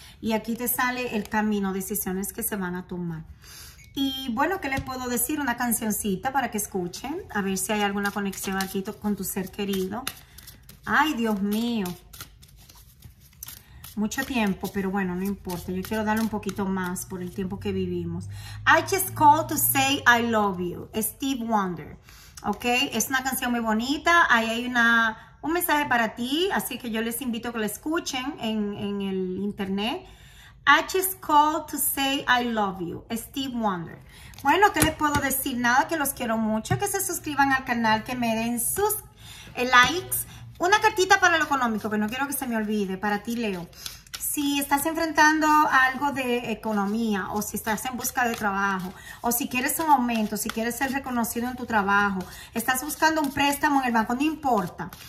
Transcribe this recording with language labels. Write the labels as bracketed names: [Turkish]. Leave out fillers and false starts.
[Spanish] Y aquí te sale el camino, decisiones que se van a tomar. Y bueno, ¿qué le puedo decir? Una cancioncita para que escuchen, a ver si hay alguna conexión aquí con tu ser querido. Ay, Dios mío. Mucho tiempo, pero bueno, no importa. Yo quiero darle un poquito más por el tiempo que vivimos. [English] I just called to say I love you, Steve Wonder. [Spanish] ¿Ok? Es una canción muy bonita. Ahí hay un mensaje para ti, así que yo les invito a que la escuchen en el internet. [English] I just called to say I love you, Steve Wonder. [Spanish] Bueno, ¿qué les puedo decir? Nada, que los quiero mucho, que se suscriban al canal, que me den sus likes. Una cartita para lo económico, que no quiero que se me olvide, para ti, Leo. Si estás enfrentando algo de economía, o si estás en busca de trabajo, o si quieres un aumento, si quieres ser reconocido en tu trabajo, estás buscando un préstamo en el banco, no importa.